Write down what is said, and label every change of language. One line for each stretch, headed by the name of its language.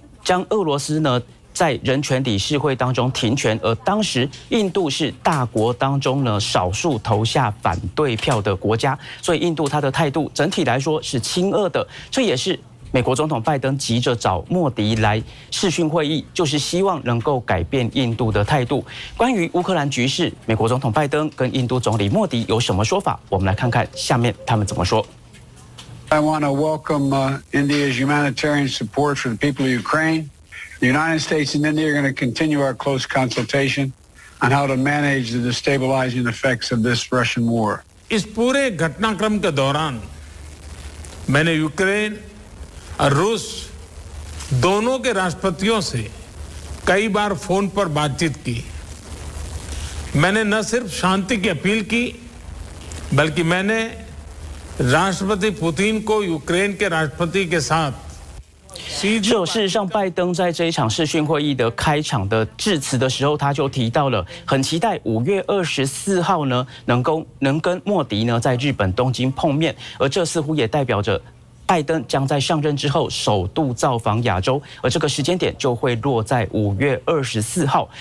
Chinese: 将俄罗斯呢在人权理事会当中停权，而当时印度是大国当中呢少数投下反对票的国家，所以印度它的态度整体来说是亲俄的，这也是美国总统拜登急着找莫迪来视讯会议，就是希望能够改变印度的态度。关于乌克兰局势，美国总统拜登跟印度总理莫迪有什么说法？我们来看看下面他们怎么说。
English: I want to welcome India's humanitarian support for the people of Ukraine. The United States and India are going to continue our close consultation on how to manage the destabilizing effects of this Russian war.
Hindi: इस पूरे घटनाक्रम के दौरान मैंने Ukraine और रूस दोनों के राष्ट्रपतियों से कई बार फोन पर बातचीत की। मैंने न सिर्फ शांति की अपील की बल्कि मैंने राष्ट्रपति पुतिन को यूक्रेन के राष्ट्रपति के साथ
Chinese: 事实上拜登在这一场视讯会议的开场的致辞的时候，他就提到了很期待5月24号呢能跟莫迪呢在日本东京碰面，而这似乎也代表着拜登将在上任之后首度造访亚洲，而这个时间点就会落在5月24号。